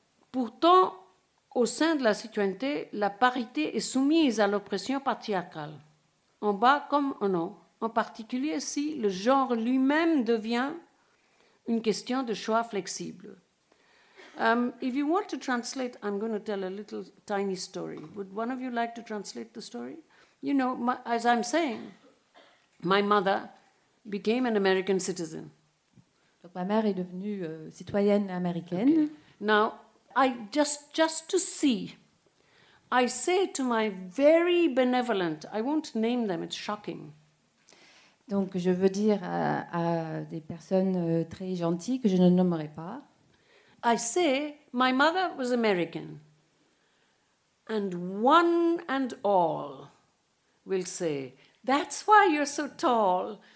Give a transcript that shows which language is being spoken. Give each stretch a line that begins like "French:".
French: Pourtant, au sein de la citoyenneté, la parité est soumise à l'oppression patriarcale, en bas comme en haut, en particulier si le genre lui-même devient une question de choix flexible.
English: If you want to translate, I'm going to tell a little tiny story. Would one of you like to translate the story? You know, as I'm saying, my mother became an American citizen.
French: Donc ma mère est devenue citoyenne américaine.
English: Okay. Now, I just to see, I say to my very benevolent, I won't name them, it's shocking.
French: Donc je veux dire à des personnes très gentilles que je ne nommerai pas.
English: I say my mother was American. And one and all will say, that's why you're so tall.